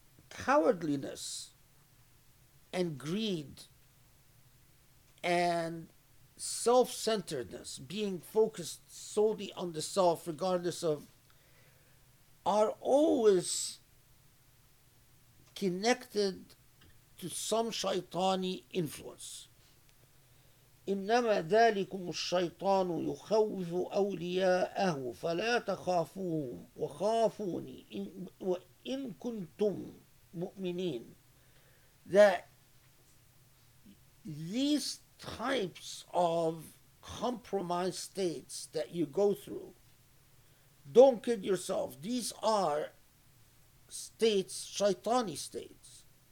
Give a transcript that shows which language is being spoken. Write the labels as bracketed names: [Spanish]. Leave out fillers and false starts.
[English] Cowardliness and greed and self-centeredness, being focused solely on the self regardless of, are always connected to some shaitani influence. [Arabic] إنما ذلكم الشيطان يخوف أولياءه فلا تخافوهم وخافوني وإن كنتم مؤمنين. [English] That these types of compromised states that you go through, don't kid yourself, these are states, shaitani states.